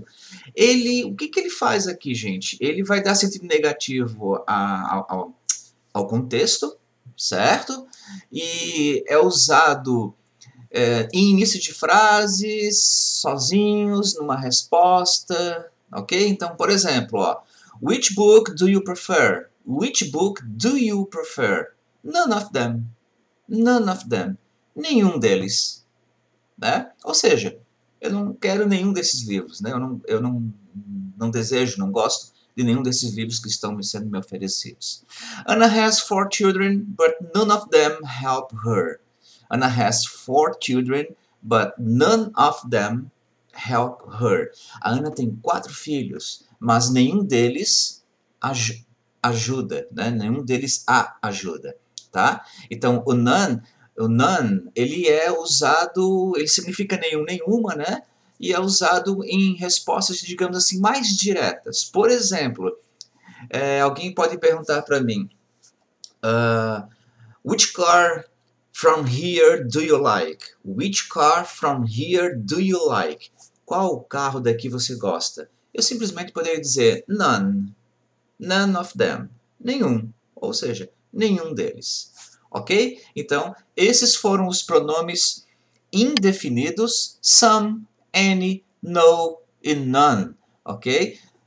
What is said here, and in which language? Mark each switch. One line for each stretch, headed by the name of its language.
Portuguese: O que que ele faz aqui, gente? Ele vai dar sentido negativo ao contexto, certo? E é usado em início de frases, sozinhos, numa resposta, ok? Então, por exemplo, ó,
English: which book do you prefer? Which book do you prefer? None of them. None of them.
Portuguese: Nenhum deles, né? Ou seja, eu não quero nenhum desses livros, né? Eu não desejo, não gosto de nenhum desses livros que estão sendo me oferecidos.
English: Anna has four children, but none of them help her. Anna has four children, but none of them help her.
Portuguese: A Anna tem quatro filhos, mas nenhum deles ajuda, né? Nenhum deles a ajuda, tá? Então, o none, ele é usado, ele significa nenhum, nenhuma, né? E é usado em respostas, digamos assim, mais diretas. Por exemplo, alguém pode perguntar para mim,
English: which car from here do you like? Which car from here do you like?
Portuguese: Qual carro daqui você gosta? Eu simplesmente poderia dizer none.
English: None of them.
Portuguese: Nenhum. Ou seja, nenhum deles. Ok? Então, esses foram os pronomes indefinidos: some, any, no e none. Ok?